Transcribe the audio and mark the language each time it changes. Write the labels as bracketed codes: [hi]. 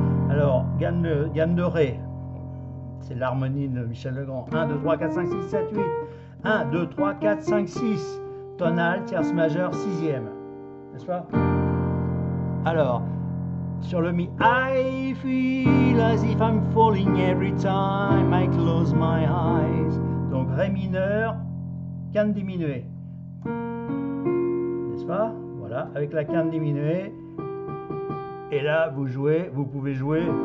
[fr] Alors, gamme de ré. C'est l'harmonie de Michel Legrand. 1, 2, 3, 4, 5, 6, 7, 8. 1, 2, 3, 4, 5, 6. Tonale, tierce majeure, sixième. N'est-ce pas? Alors. Sur le mi, [en] I feel as if I'm falling every time I close my eyes. [fr] Donc ré mineur, quinte diminuée. N'est-ce pas? Voilà, avec la quinte diminuée. Et là, vous jouez, vous pouvez jouer.